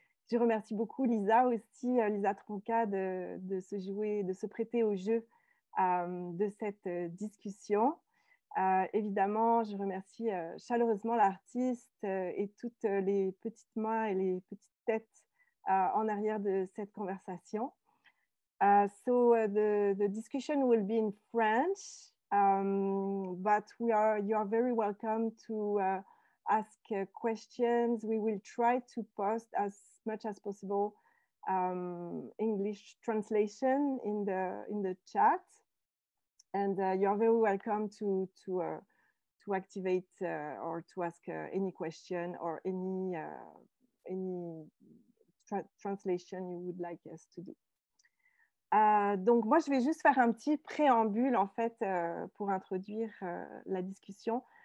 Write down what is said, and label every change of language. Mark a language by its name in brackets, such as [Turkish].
[French] Je remercie beaucoup Lisa aussi, Lisa Tronca de se jouer, de se prêter au jeu de cette discussion. Évidemment, je remercie chaleureusement l'artiste et toutes les petites mains et les petites têtes en arrière de cette conversation. [English] So the discussion will be in French, but you are very welcome to ask questions. We will try to post as much as possible English translation in the chat. And you're very welcome to activate or to ask any question or any translation you would like us to do. [French] Donc moi je vais juste faire un petit préambule en fait pour introduire la discussion.